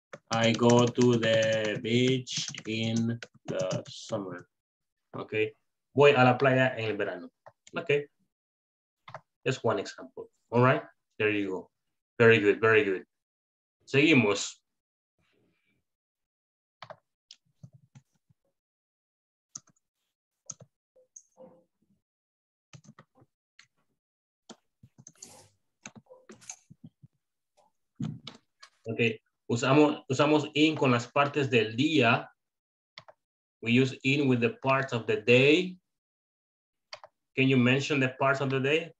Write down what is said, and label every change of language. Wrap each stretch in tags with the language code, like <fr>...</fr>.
<en>I go to the beach in the summer.</en> <es>Okay, voy a la playa en el verano.</es> <en>Okay, just one example. All right, there you go. Very good, very good.</en> <es>Seguimos. Okay, usamos in con las partes del día.</es> <en>We use in with the parts of the day. Can you mention the parts of the day?</en>